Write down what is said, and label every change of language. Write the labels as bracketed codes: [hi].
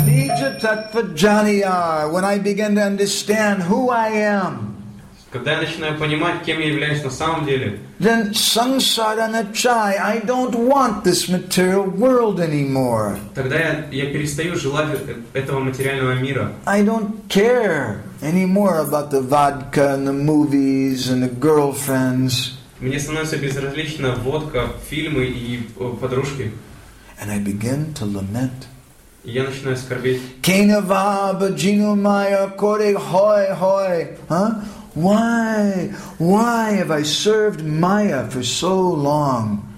[bn] Janiyar, [en] when I begin to understand who I am, [ru] когда я начинаю понимать, кем я являюсь на самом деле, [en] then [bn] samsara nachai, [en] I don't want this material world anymore. [ru] Тогда я перестаю желать этого материального мира. [en] I don't care anymore about the vodka and the movies and the girlfriends. [ru] Мне становится безразлично водка, фильмы и подружки. [en] And I begin to lament. [ru] Я начинаю скорбеть. [bn] Кенава баджину майя коре хой хой. [en] Why have I served Maya for so long?